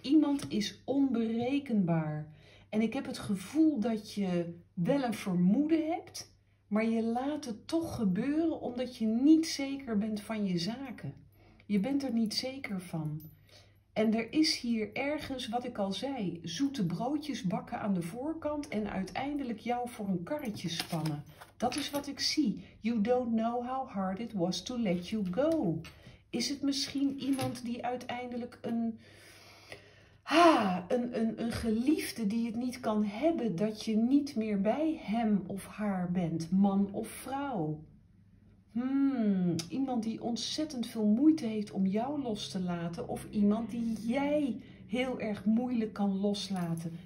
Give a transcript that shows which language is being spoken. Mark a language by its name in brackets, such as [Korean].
[Dutch] Iemand is onberekenbaar. En ik heb het gevoel dat je wel een vermoeden hebt, maar je laat het toch gebeuren omdat je niet zeker bent van je zaken. Je bent er niet zeker van. En er is hier ergens, wat ik al zei, zoete broodjes bakken aan de voorkant en uiteindelijk jou voor een karretje spannen. Dat is wat ik zie. [English] You don't know how hard it was to let you go. [Dutch] Is het misschien iemand die uiteindelijk een geliefde die het niet kan hebben dat je niet meer bij hem of haar bent, man of vrouw? Iemand die ontzettend veel moeite heeft om jou los te laten of iemand die jij heel erg moeilijk kan loslaten.